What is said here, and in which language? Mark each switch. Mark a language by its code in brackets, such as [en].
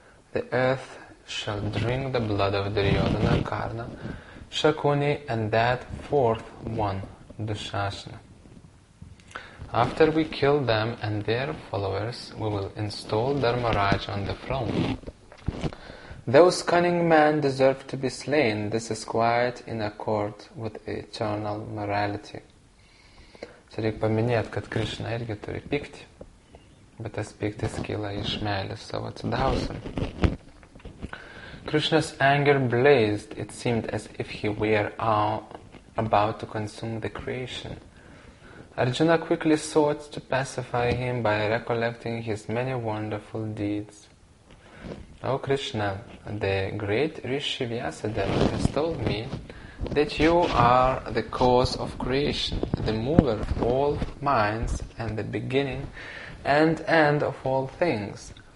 [en] The earth shall drink the blood of Duryodhana, Karna, Shakuni, and that fourth one, Dushasana. After we kill them and their followers, we will install Dharmaraj on the throne. Those cunning men deserve to be slain. This is quite in accord with eternal morality. [lt] Čia reikia paminėti, kad Krishna irgi turi pykti, bet tas pyktis kyla iš meilės savo atsidavusiam. [en] Krishna's anger blazed. It seemed as if he were about to consume the creation. Arjuna quickly sought to pacify him by recollecting his many wonderful deeds. O Krishna, the great Rishi Vyasadeva has told me that you are the cause of creation, the mover of all minds, and the beginning and end of all things.